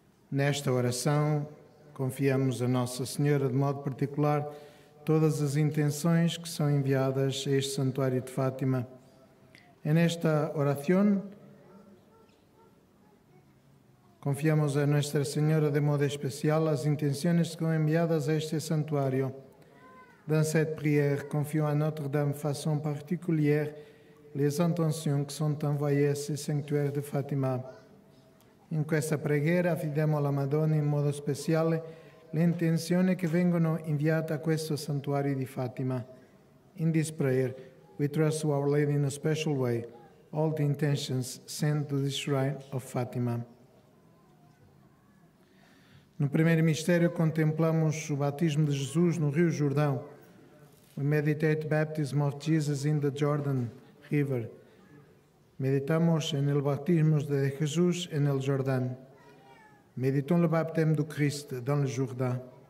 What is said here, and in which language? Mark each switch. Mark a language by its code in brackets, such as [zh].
[pt] Nesta oração, confiamos a Nossa Senhora de modo particular todas as intenções que são enviadas a este Santuário de Fátima. [es] En esta oración confiamos a Nuestra Señora de modo especial las intenciones que son enviadas a este santuario. [fr] Dans cette prière, confions à Notre-Dame façon particulière les intentions que sont envoyées à ce sanctuaire de Fátima. [it] En esta preghiera affidiamo alla Madonna in modo speciale le intenzioni che vengono inviate a questo santuario di Fátima. [en] In this prayer, we trust to Our Lady in a special way all the intentions sent to the shrine of Fátima. [pt] No primeiro mistério contemplamos o batismo de Jesus no Rio Jordão. [en] We meditate baptism of Jesus in the Jordan River. [es] Meditamos en el batismo de Jesús en el Jordán. [fr] Meditons le baptême du Christ dans le Jourdain.